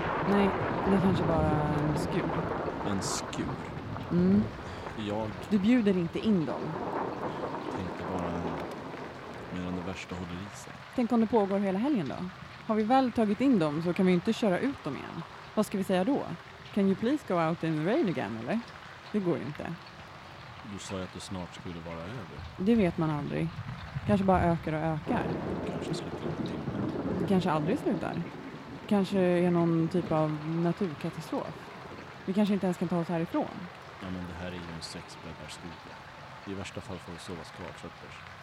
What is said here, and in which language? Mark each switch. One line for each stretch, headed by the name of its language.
Swedish: Nej, det är kanske bara en skur. En skur? Mm. Jag... Du bjuder inte in dem. Tänk bara medan det värsta håller i sig. Tänk om det pågår hela helgen då. Har vi väl tagit in dem så kan vi inte köra ut dem igen. Vad ska vi säga då?
English: Can you please go out in the rain again,
Swedish: eller? Det går ju inte. Du sa att det snart skulle vara över. Det vet man aldrig. Kanske bara ökar och ökar. Kanske slutar en timme. Det kanske aldrig slutar. Kanske är någon typ av naturkatastrof. Vi kanske inte ens kan ta oss härifrån. Ja, men det här är ju en 6-bäddarstuga. I värsta fall får vi sova skavfötters.